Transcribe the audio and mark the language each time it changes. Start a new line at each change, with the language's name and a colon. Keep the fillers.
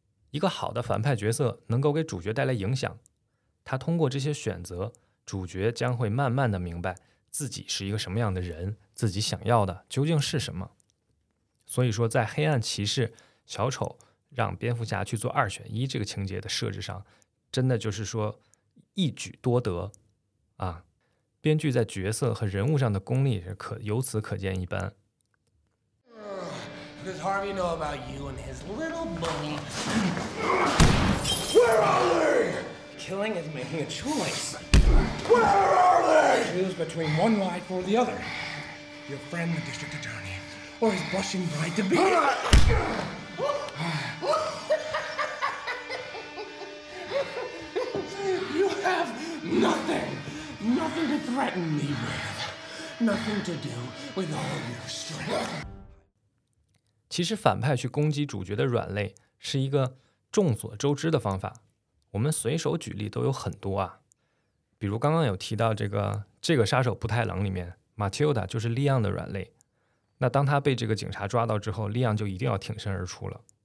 Chinese: 一个好的反派角色能够给主角带来影响，他通过这些选择，主角将会慢慢的明白自己是一个什么样的人，自己想要的究竟是什么。所以说，在黑暗骑士、小丑让蝙蝠侠去做二选一这个情节的设置上，真的就是说一举多得啊！编剧在角色和人物上的功力是可由此可见一斑。
English: What does Harvey know about you and his little bunny? Where are they? Killing is making a choice. Where are they? Choose between one life or the other. Your friend, the district attorney, or his blushing bride to be. you have nothing, nothing to threaten me with, nothing to do with all your strength.
Chinese: 其实反派去攻击主角的软肋是一个众所周知的方法，我们随手举例都有很多啊。比如刚刚有提到这个这个杀手不太冷里面，m a t i l d a 就是利昂的软肋。那当他被这个警察抓到之后，利昂就一定要挺身而出了。